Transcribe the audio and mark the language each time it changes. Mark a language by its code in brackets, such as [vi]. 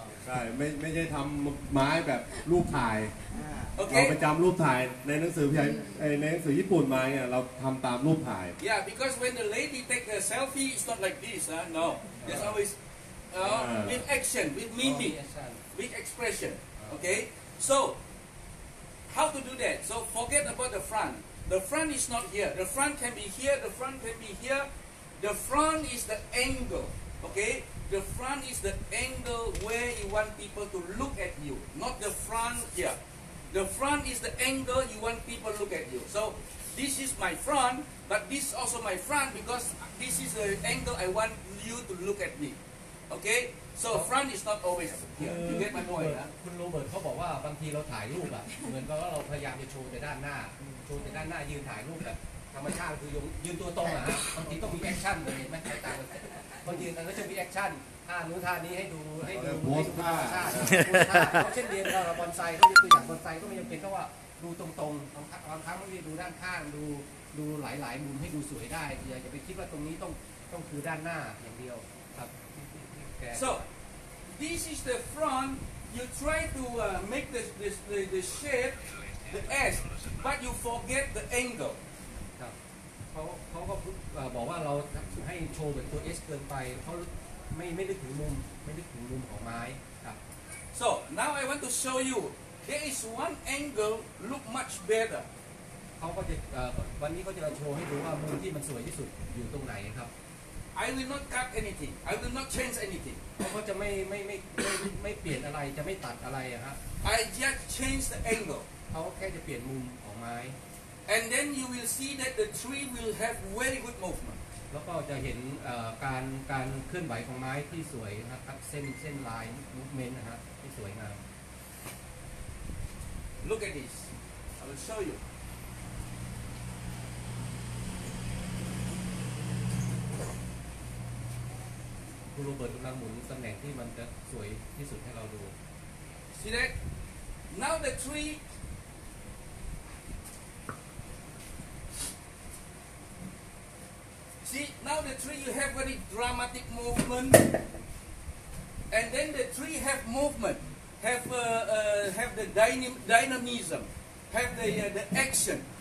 [th] ใช่ไม่ใช่ทำไม้แบบรูปถ่ายเราไปจำรูปถ่ายในหนังสือในหนังสือญี่ปุ่นมาเนี่ยเราทำตามรูปถ่าย [en] Yeah because when the lady take a selfie it's not like this no it's always with action with meaning with expression okay so how to do that so forget about the front is not here the front can be here the front is the angle okayThe front is the angle where you want people to look at you, not the front here. The front is the angle you want people to look at you. So this is my front, but this is also my front because this is the angle I want you to look at me. Okay? So front is not always here. You get my point? [th] คุณโรเบิร์ตเขาบอกว่าบางทีเราถ่ายรูปอะเหมือนกับว่าเราพยายามจะโชว์แต่ด้านหน้าโชว์แต่ด้านหน้ายืนถ่ายรูปแบบธรรมชาติคือยืนตัวตรงอะบางทีต้องมีแอคชั่นเลยไม่ใช่ตามคนยืนนั้นก็จะมีแอคชั่นท่านู้นท่านี้ให้ดู ท่า ท่า เช่นเดียวกับบอนไซเขาเป็นอย่างบอนไซก็ไม่จำเป็นเพราะว่าดูตรงๆบางครั้งก็มีดูด้านข้างดูหลายๆมุมให้ดูสวยได้อย่าไปคิดว่าตรงนี้ต้องคือด้านหน้าอย่างเดียวครับ [en] So this is the front you try to make the shape the S but you forget the angle [th] เขาก็บอกว่าเราให้โชว์เหมือนตัว S เกินไปเขาไม่ได้ถึงมุมไม่ได้ถึงมุมของไม้ครับ [en] So now I want to show you there is one angle look much better [th] เขาก็จะวันนี้เขาจะโชว์ให้ดูว่ามุมที่มันสวยที่สุดอยู่ตรงไหนครับ [en] I will not cut anything I will not change anything [th] เขาก็จะไม่เปลี่ยนอะไรจะไม่ตัดอะไรครับ [en] I just change the angle [th] เขาแค่จะเปลี่ยนมุมของไม้ [en] And then you will see that the tree will have very good movement. [th] แล้วก็จะเห็นการเคลื่อนไหวของไม้ที่สวยนะครับเส้นลาย movement นะครับที่สวยงาม [en] Look at this. I will show you. [th] คุณโรเบิร์ตกำลังหมุนตำแหน่งที่มันจะสวยที่สุดให้เราดู [en] See that? Now the treeSee, now the tree you have very dramatic movement, and then the tree have movement, have the dynamism, have the action.